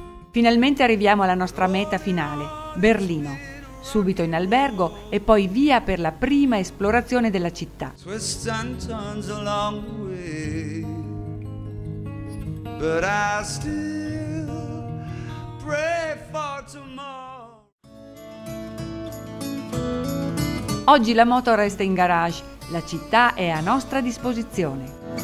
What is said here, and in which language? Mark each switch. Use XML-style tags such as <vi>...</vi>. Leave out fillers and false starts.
<it>Finalmente arriviamo alla nostra meta finale, Berlino. Subito in albergo e poi via per la prima esplorazione della città.</it> <en>Twists and turns along the way. But I still pray for tomorrow.</en> <it>Oggi la moto resta in garage. La città è a nostra disposizione.</it>